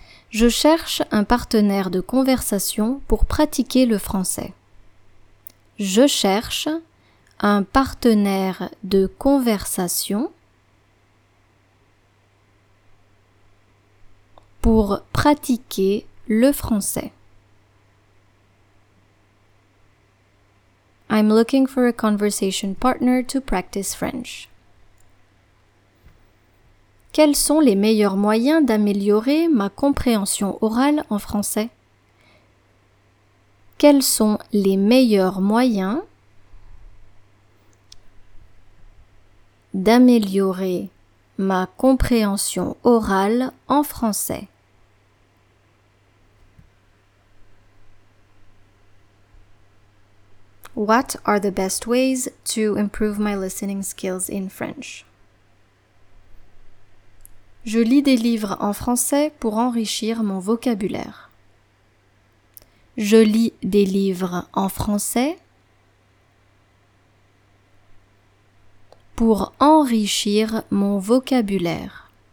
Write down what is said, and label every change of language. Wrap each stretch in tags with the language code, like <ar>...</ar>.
<fr>Je cherche un partenaire de conversation pour pratiquer le français. Je cherche un partenaire de conversation pour pratiquer le français.</fr> <en>I'm looking for a conversation partner to practice French.</en> <fr>Quels sont les meilleurs moyens d'améliorer ma compréhension orale en français? Quels sont les meilleurs moyens d'améliorer ma compréhension orale en français?</fr> <en>What are the best ways to improve my listening skills in French?</en> <fr>Je lis des livres en français pour enrichir mon vocabulaire. Je lis des livres en français pour enrichir mon vocabulaire.</fr>